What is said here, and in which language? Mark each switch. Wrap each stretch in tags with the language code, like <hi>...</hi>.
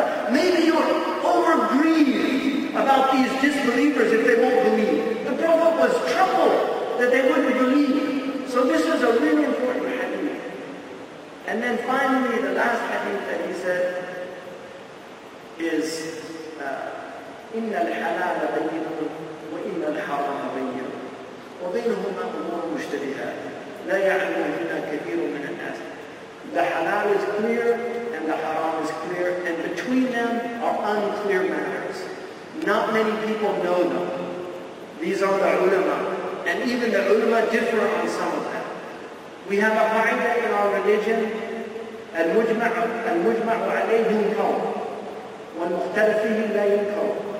<en>Maybe you're over-grieved about these disbelievers if they won't believe. The Prophet was troubled that they wouldn't believe. So this was a really important hadith. And then finally, the last hadith that he said is,</en> <ar>إِنَّ الْحَلَالَ بَيِّنُهُمْ وَإِنَّ الْحَرَامَ بَيِّنُهُمْ وَبَيْنُهُمَا أُمُورٌ مُشْتَبِهَاتٌ لَا يَعْلَمُهُنَّ كَثِيرٌ مِنَ النَّاسِ.</ar> <en>The halal is clear and the haram is clear, and between them are unclear matters. Not many people know them. These are the ulama, and even the ulama differ on some of them. We have a qaida in our religion,</en> <ar>al-mujma'u alayhi yunkaw, wa al-mukhtalifihi la yunkaw.</ar>